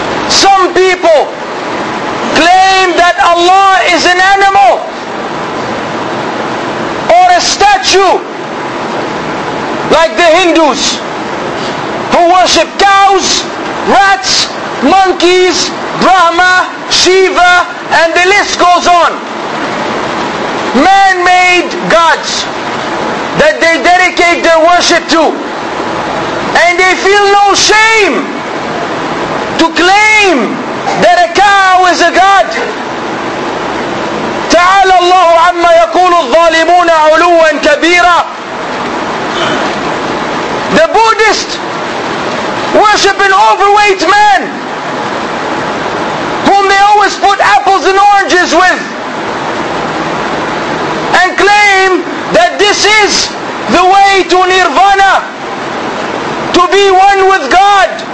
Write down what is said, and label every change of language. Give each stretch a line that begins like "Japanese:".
English: Some people claim that Allah is an animal or a statue, like the Hindus who worship cows, rats, monkeys, Brahma, Shiva, and the list goes on. Man-made gods that they dedicate their worship to, and they feel no shame to claim that a cow is a god.
Arabic: تعالى الله عما يقول الظالمون علوا كبيرا.
English: The Buddhists worship an overweight man whom they always put apples and oranges with, and claim that this is the way to nirvana, to be one with God.